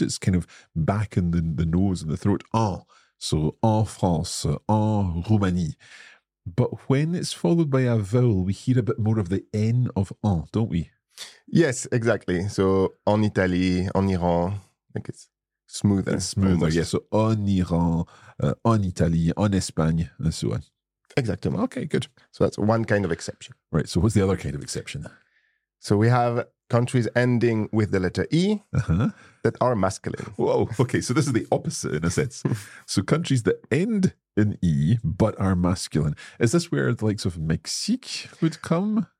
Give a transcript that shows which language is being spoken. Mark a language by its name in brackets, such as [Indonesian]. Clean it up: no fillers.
[English] It's kind of back in the nose and the throat. En. So [French] en France, en Roumanie. [English] But when it's followed by a vowel, we hear a bit more of the N of en, don't we? Yes, exactly. So [French] en Italie, en Iran, [English] I think it's smoother. It's smoother, almost. Yeah. So [French] en Iran, en Italie, en Espagne, [English] and so on. [French] Exactement. [English] Okay, good. So that's one kind of exception. Right. So what's the other kind of exception? So we have countries ending with the letter E, uh-huh, that are masculine. Whoa. Okay. So this is the opposite in a sense. So countries that end in E but are masculine. Is this where the likes of Mexique would come?